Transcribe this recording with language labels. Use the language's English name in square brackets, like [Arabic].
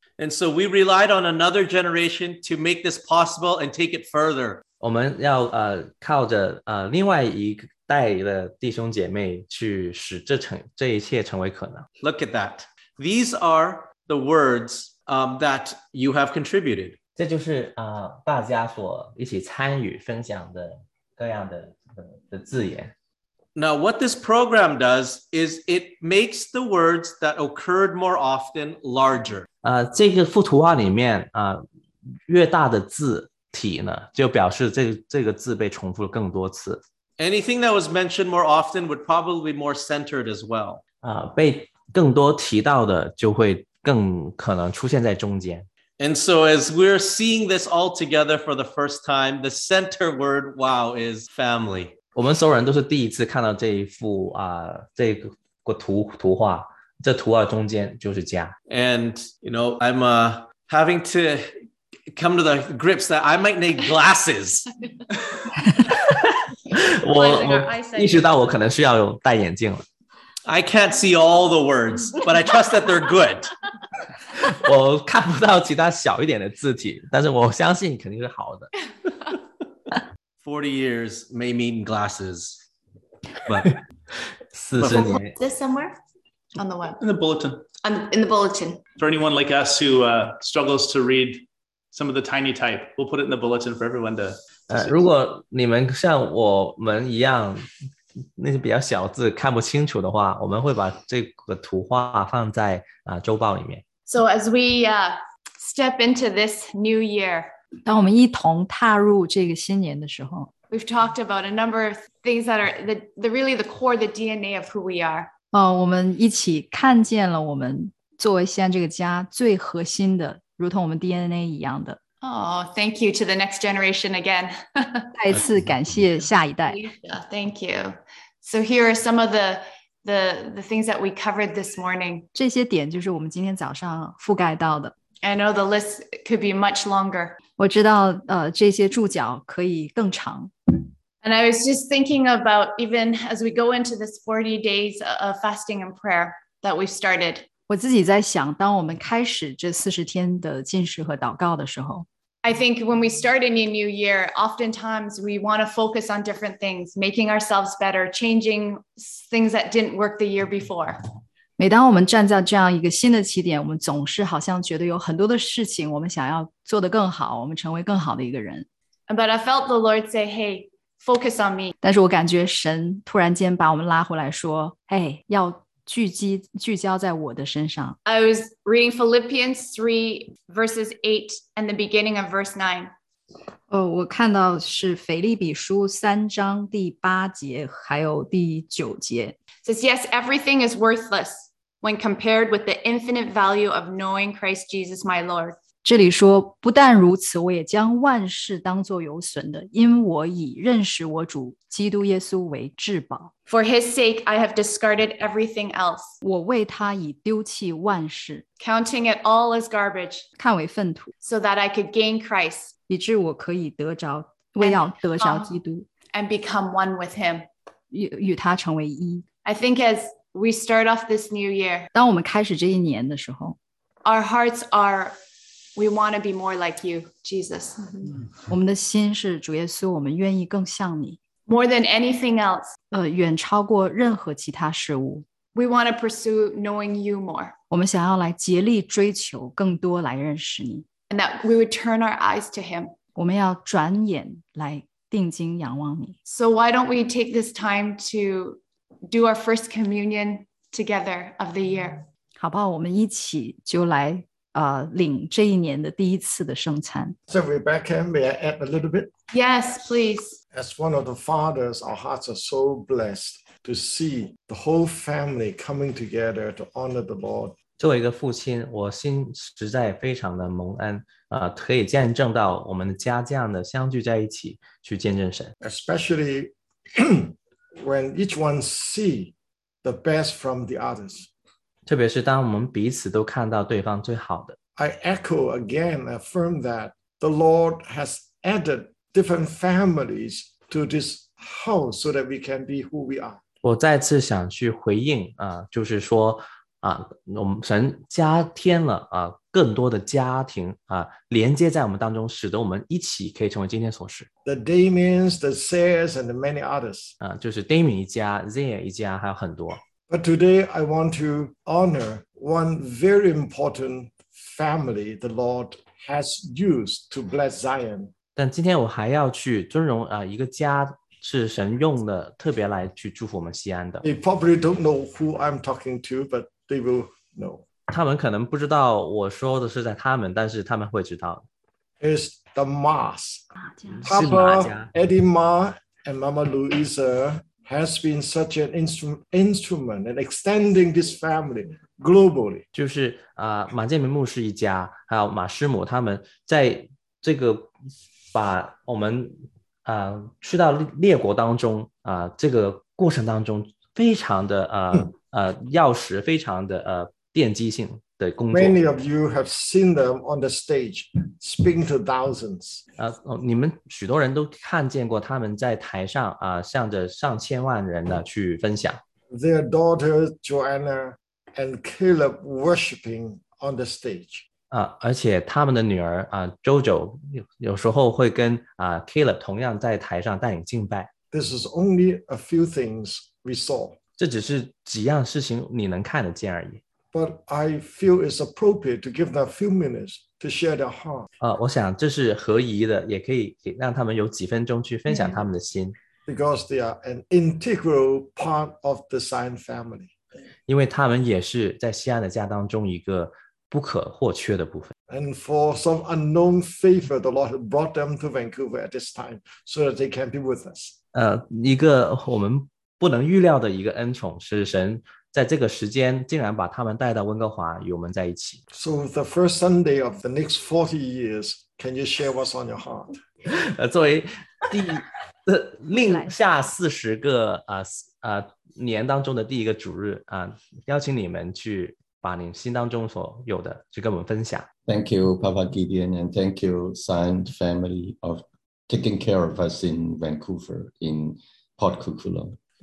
[English] And so we relied on another generation to make this possible and take it further. [Chinese] 我们要靠着另外一代的弟兄姐妹去使这一切成为可能。 [English] Look at that. These are the words that you have contributed. [Chinese] 这就是大家所一起参与分享的各样的字眼。 [English] Now, what this program does is it makes the words that occurred more often larger. [Chinese] 这个附图画里面越大的字体呢，就表示这个字被重复更多次。 [English] Anything that was mentioned more often would probably be more centered as well. [Chinese] 被更多提到的就会更可能出现在中间。 [English] And so as we're seeing this all together for the first time, the center word, wow, is family. [Chinese] 我们所有人都是第一次看到这一幅这个图画，这图画中间就是家。 [English] And, you know, I'm having to come to the grips that I might need glasses. [Chinese] 我意识到我可能需要戴眼镜了。 [English] I can't see all the words, but I trust that they're good. [Chinese] 我看不到其他小一点的字体，但是我相信肯定是好的。 [English] 40 years may mean glasses, but 40 years. Is this somewhere on the web? In the bulletin. In the bulletin. For anyone like us who struggles to read some of the tiny type, we'll put it in the bulletin for everyone to see. [Chinese] 如果你们像我们一样那些比较小字看不清楚的话，我们会把这个图画放在周报里面。 [English] So as we step into this new year, [Chinese] 当我们一同踏入这个新年的时候， [English] we've talked about a number of things that are the really the core, the DNA of who we are. [Chinese] 我们一起看见了我们作为西安这个家最核心的，如同我们 DNA 一样的。 [English] Oh, thank you to the next generation again. [Chinese] 再次感谢下一代。 [English] Thank you. So here are some of the things that we covered this morning. [Chinese] 这些点就是我们今天早上覆盖到的。 [English] I know the list could be much longer. [Chinese] 我知道这些注脚可以更长。 [English] And I was just thinking about even as we go into this 40 days of fasting and prayer that we've started. [Chinese] 我自己在想当我们开始这40天的禁食和祷告的时候， [English] I think when we start a new year, oftentimes we want to focus on different things, making ourselves better, changing things that didn't work the year before. [Chinese] 每当我们站在这样一个新的起点，我们总是好像觉得有很多的事情我们想要做得更好，我们成为更好的一个人。 [English] But I felt the Lord say, hey, focus on me. [Chinese] 但是我感觉神突然间把我们拉回来说，hey, 要聚焦在我的身上。 [English] I was reading Philippians 3 verses 8 and the beginning of verse 9. [Chinese] 我看到是腓立比书三章第八节还有第九节。 [English] Says, yes, everything is worthless when compared with the infinite value of knowing Christ Jesus, my Lord. [Chinese] 这里说，不但如此，我也将万事当作有损的，因我以认识我主基督耶稣为至宝。 [English] For his sake, I have discarded everything else. [Chinese] 我为他已丢弃万事。 [English] Counting it all as garbage. [Chinese] 看为粪土。 [English] So that I could gain Christ. [Chinese] 以致我可以得着，为要得着基督。 [English] And become one with him. [Chinese] 与他成为一。 [English] I think as we start off this new year, [Chinese] 当我们开始这一年的时候， [English] our hearts are, we want to be more like you, Jesus. [Chinese] 我们的心是主耶稣，我们愿意更像你。 [English] More than anything else, [Chinese] 远超过任何其他事物。 [English] We want to pursue knowing you more. [Chinese] 我们想要来竭力追求更多来认识你。 [English] And that we would turn our eyes to him. [Chinese] 我们要转眼来定睛仰望你。 [English] So why don't we take this time to do our first communion together of the year? [Chinese] 好不好我们一起就来领这一年的第一次的圣餐。 [English] So Rebecca, may I add a little bit? Yes, please. As one of the fathers, our hearts are so blessed to see the whole family coming together to honor the Lord. [Chinese] 作为一个父亲，我心实在非常的蒙恩，可以见证到我们的家这样的相聚在一起去见证神。 [English] Especially when each one see the best from the others. [Chinese] 特别是当我们彼此都看到对方最好的。 [English] I echo again, affirm that the Lord has added different families to this house so that we can be who we are. [Chinese] 我再次想去回应，就是说，我们神加添了，更多的家庭，连接在我们当中，使得我们一起可以成为今天所是。 [English] The Damians, the Sayers, and the many others. [Chinese] 就是 Damian 一家 ,Zaire 一家还有很多。 [English] But today I want to honor one very important family the Lord has used to bless Zion. [Chinese] 但今天我还要去尊荣一个家是神用的特别来去祝福我们西安的。 [English] They probably don't know who I'm talking to, but they will know. [Chinese] 他们可能不知道我说的是在他们，但是他们会知道。 [English] It's the Mas. Papa Eddie Ma and Mama Louisa. Has been such an instrument in extending this family globally. [Chinese] 就是马建明牧师一家，还有马师母他们，在这个把我们去到列国当中这个过程当中，非常的钥匙，非常的奠基性的工作。 [English] Many of you have seen them on the stage, speaking to thousands. [Chinese] 你们许多人都看见过他们在台上向着上千万人呢去分享。 [English] Their daughter Joanna and Caleb worshiping on the stage. [Chinese] 而且他们的女儿JoJo 有时候会跟Caleb 同样在台上带领敬拜。 [English] This is only a few things we saw. [Chinese] 这只是几样事情你能看得见而已。 [English] But I feel it's appropriate to give them a few minutes to share their heart. [Chinese] 我想这是合宜的，也可以让他们有几分钟去分享他们的心。 [English] Because they are an integral part of the Zion family. [Chinese] 因为他们也是在西安的家当中一个不可或缺的部分。 [English] And for some unknown favor, the Lord brought them to Vancouver at this time so that they can be with us. [Chinese] 一个我们不能预料的一个恩宠，是神在这个时间竟然把他们带到温哥华与我们在一起。 [English] So the first Sunday of the next 40 years, can you share what's on your heart? [Chinese] 作为另下40个年当中的第一个主日邀请你们去把你心当中所有的去跟我们分享。 [English] Thank you, Papa Gideon, and thank you, Zion family, of taking care of us in Vancouver, in Port Coquitlam.